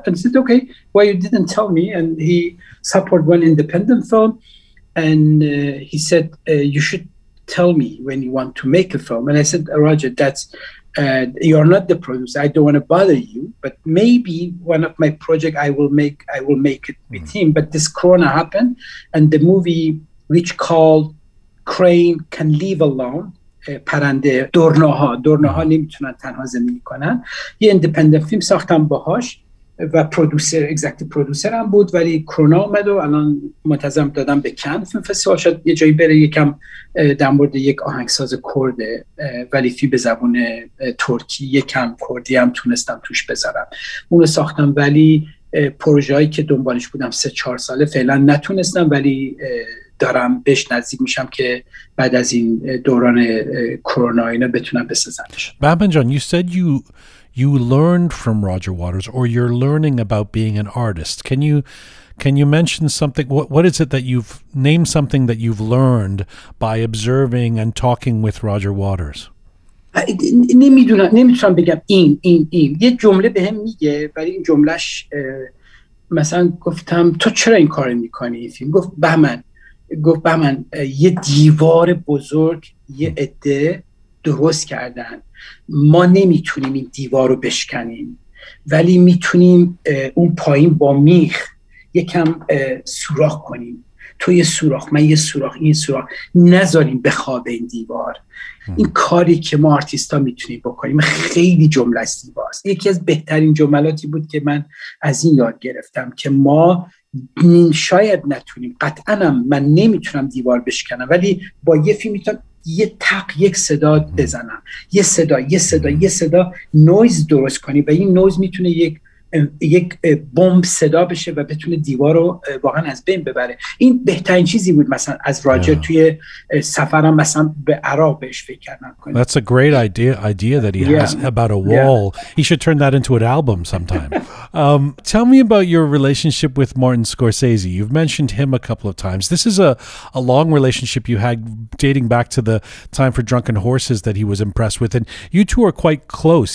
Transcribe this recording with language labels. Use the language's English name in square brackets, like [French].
[English] And he said, okay, well, you didn't tell me. And he supported one independent film. And he said, you should tell me when you want to make a film. And I said, Roger, that's you are not the producer. I don't want to bother you. But maybe one of my project I will make it with him. But this corona happened. And the movie, which called Crane Can Leave Alone, [Persian] پرنده دورناها دورناها نمیتونن تنها زندگی کنن، یه ایندیپندنت فیلم ساختم باهاش و پرودوسر اگزکتیو پرودوسر هم بود، ولی کرونا اومد و الان منتظرم دادم به کن فیلم فستیوال، شاید یه جایی بره، یکم در مورد یک آهنگساز کرده ولی فیلم به زبان ترکی، یکم کردی هم تونستم توش بذارم، اونو ساختم. ولی پروژه‌ای که دنبالش بودم 3-4 ساله فعلا نتونستم، ولی دارم بهش نزدیک میشم که بعد از این دوران کرونا اینا بتونم بسازمش. [English] بابن جان، you said you learned from Roger Waters, or you're learning about being an artist. Can you mention something? What is it that you've named, something that you've learned by observing and talking with Roger Waters? [Persian] نمیتونم بگم این یه جمله بهم میگه، ولی این جملهش مثلا گفتم تو چرا این کارو میکنی این فیلم، گفت بهمن یه دیوار بزرگ یه عده درست کردن، ما نمیتونیم این دیوار رو بشکنیم، ولی میتونیم اون پایین با میخ یکم سوراخ کنیم، تو یه سوراخ، من یه سوراخ، این سوراخ، نذاریم بخوابه این دیوار. این کاری که ما آرتیست ها میتونیم بکنیم. خیلی جمله زیباست، یکی از بهترین جملاتی بود که من از این یاد گرفتم، که ما شاید نتونیم، قطعا من نمیتونم دیوار بشکنم، ولی با یه فیلم میتونم یه تق، یک صدا بزنم، یه صدا نویز درست کنی، و این نویز میتونه یک بمب صدا بشه و بتونه دیوار رو واقعا از بین ببره. این بهترین چیزی بود مثلا از راجر توی سفرم مثلا به عراق بهش فکر کردم. [English] That's a great idea that he has about a wall. He should turn that into an album sometime. tell me about your relationship with Martin Scorsese. You've mentioned him a couple of times. This is a long relationship you had, dating back to the time for Drunken Horses that he was impressed with. And you two are quite close.